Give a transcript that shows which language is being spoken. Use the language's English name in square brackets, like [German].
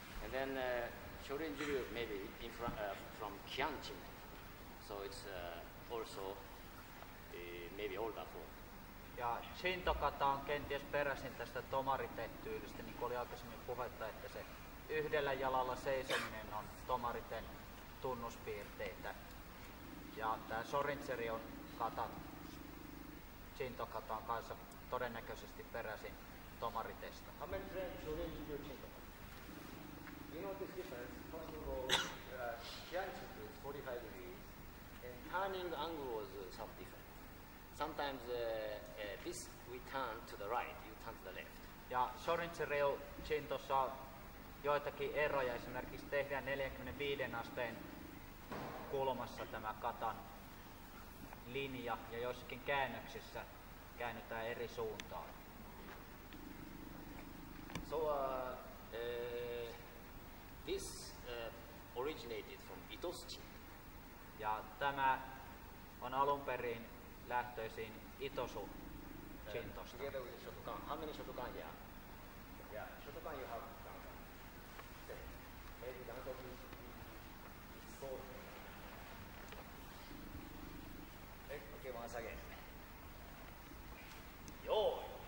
[English] And then,Shorin Juryu maybe in front, from Kian Chin, so it's also maybe older form. [Finnish] Ja Shintokata on kenties peräisin tästä tomariten-tyylistä, niin kuin oli aikaisemmin puhetta, että se yhdellä jalalla seisominen on tomariten tunnuspiirteitä. Ja tämä Sorinseri on kata Shintokataan kanssa todennäköisesti peräisin tomaritesta. [English] How many friends Shorin Juryu Shintokata? You know this difference? First of all, Kianchin is 45 degrees, and turning angle was some different. Sometimes this we turn to the right, you turn to the left. [Finnish] Ja Sorinseri on Chintossa joitakin eroja, esimerkiksi tehdään 45 asteen kulmassa tämä katan linja, ja joissakin käännöksissä käännetään eri suuntaan. [English] So, this originated from Itosuchi. [Finnish] Ja tämä on alun perin lähtöisin Itosu Chintosta. [English] Together with Shotokan. How many Shotokan here? Yeah, Shotokan you have Dantan. Okay. Maybe Dantan is sold. Okay, once again. [Japanese] Yoi!